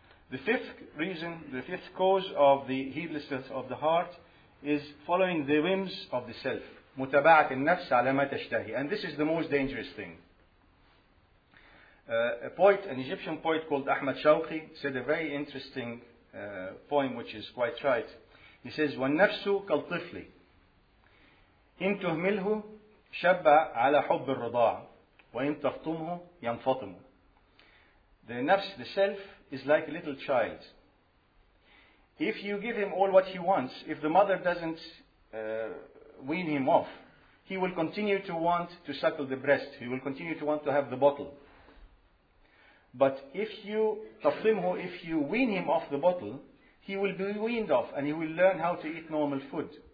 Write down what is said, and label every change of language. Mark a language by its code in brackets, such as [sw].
[en] The fifth reason, the fifth cause of the heedlessness of the heart is following the whims of the self. [ar] متابعه النفس على ما تشتهي. [en] And this is the most dangerous thing. A poet, an Egyptian poet called Ahmad Shawqi, said a very interesting poem which is quite right. He says, [ar] والنفس كالطفل إن تهمله شبع على حب الرضاع وإن تخطمه ينفطم. [en] The nafs, the self, is like a little child. If you give him all what he wants, if the mother doesn't wean him off, he will continue to want to suckle the breast. He will continue to want to have the bottle. But if you taflimhu, if you wean him off the bottle, he will be weaned off and he will learn how to eat normal food.